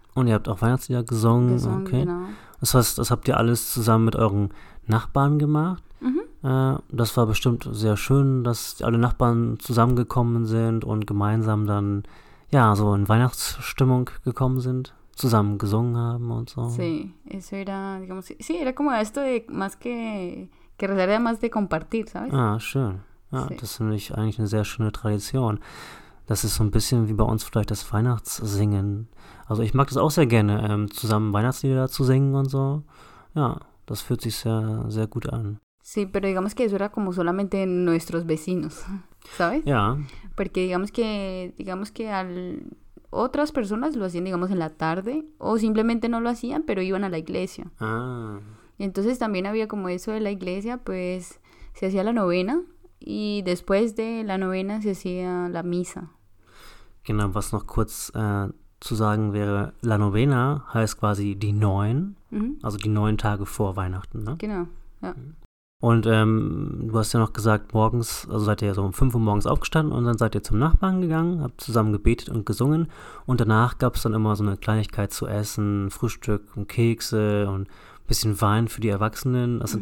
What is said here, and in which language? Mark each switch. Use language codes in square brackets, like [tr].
[de] Und ihr habt auch Weihnachtslieder gesungen, okay. Genau. Das heißt, das habt ihr alles zusammen mit euren Nachbarn gemacht. Mhm. Das war bestimmt sehr schön, dass alle Nachbarn zusammengekommen sind und gemeinsam dann, ja, so in Weihnachtsstimmung gekommen sind, zusammen gesungen haben und so. [es] Sí, eso era, digamos, sí, era como esto de más que rezar, más de compartir, ¿sabes? [de] Ah, schön. Ja, [es] sí. [de] Das finde ich eigentlich eine sehr schöne Tradition. Das ist so ein bisschen wie bei uns vielleicht das Weihnachtssingen. Also ich mag das auch sehr gerne, zusammen Weihnachtslieder zu singen und so. Ja, das fühlt sich sehr, sehr gut an. [es] Sí, pero digamos que eso era como solamente nuestros vecinos, ¿sabes? [de] Ja. [es] Porque digamos que otras personas lo hacían, digamos, en la tarde o simplemente no lo hacían, pero iban a la iglesia. Ah. Entonces también había como eso de la iglesia, pues se hacía la novena y después de la novena se hacía la misa. [de] Genau, was noch kurz zu sagen wäre, la novena heißt quasi die 9, mhm. Also die 9 Tage vor Weihnachten, ne? Genau, ja. Und du hast ja noch gesagt, morgens, also seid ihr ja so um 5 Uhr morgens aufgestanden und dann seid ihr zum Nachbarn gegangen, habt zusammen gebetet und gesungen und danach gab es dann immer so eine Kleinigkeit zu essen, Frühstück und Kekse und ein bisschen Wein für die Erwachsenen. Das ist mhm.